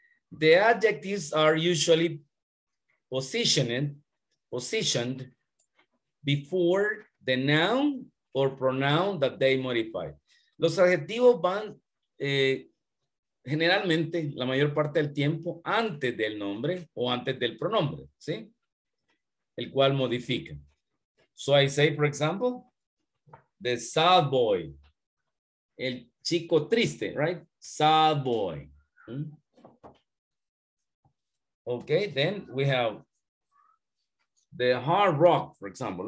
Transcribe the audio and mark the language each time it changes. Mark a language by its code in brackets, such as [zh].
[en] The adjectives are usually positioned before the noun or pronoun that they modify. [es] Los adjetivos van generalmente, la mayor parte del tiempo, antes del nombre o antes del pronombre, ¿sí? El cual modifica. [en] So I say, for example, the sad boy. [es] El chico triste, right? [en] Sad boy. Okay, then we have the hard rock, for example.